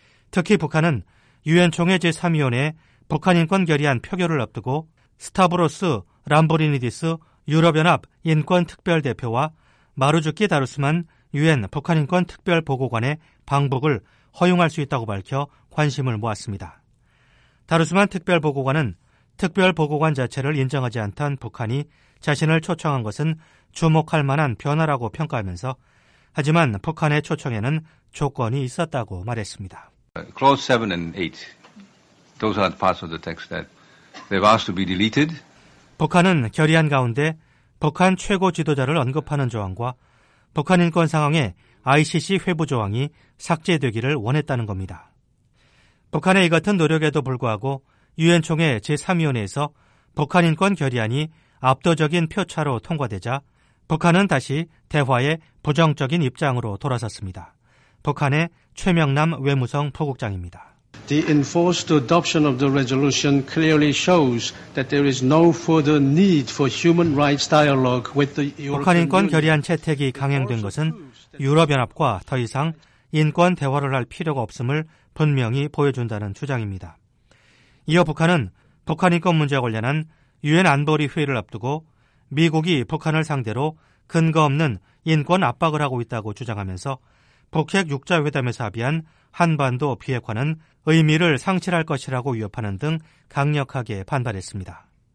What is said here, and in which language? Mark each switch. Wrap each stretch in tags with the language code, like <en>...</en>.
<ko>특히 북한은 유엔총회 제3위원회 북한인권결의안 표결을 앞두고 스타브로스 람보리니디스 유럽연합 인권특별대표와 마루즈키 다루스만 유엔 북한인권특별보고관의 방북을 허용할 수 있다고 밝혀 관심을 모았습니다. 다루스만 특별보고관은 특별보고관 자체를 인정하지 않던 북한이 자신을 초청한 것은 주목할 만한 변화라고 평가하면서 하지만 북한의 초청에는 조건이 있었다고 말했습니다.</ko> <en>Clause 7 and 8. Those are parts of the text that they've asked to be deleted.</en> <ko>북한은 결의안 가운데 북한 최고 지도자를 언급하는 조항과 북한 인권 상황의 ICC 회부 조항이 삭제되기를 원했다는 겁니다. 북한의 이 같은 노력에도 불구하고 유엔총회 제3위원회에서 북한 인권 결의안이 압도적인 표차로 통과되자 북한은 다시 대화에 부정적인 입장으로 돌아섰습니다. 북한의 최명남 외무성 부국장입니다.</ko> <en>The enforced adoption of the resolution clearly shows that there is no further need for human rights dialogue with the European Union.</en> <ko>북한 인권 결의안 채택이 강행된 것은 유럽연합과 더 이상 인권 대화를 할 필요가 없음을 분명히 보여준다는 주장입니다. 이어 북한은 북한 인권 문제와 관련한 유엔 안보리 회의를 앞두고 미국이 북한을 상대로 근거 없는 인권 압박을 하고 있다고 주장하면서 북핵 6자 회담에서 합의한 한반도 비핵화는 의미를 상실할 것이라고 위협하는 등 강력하게 반발했습니다.</ko>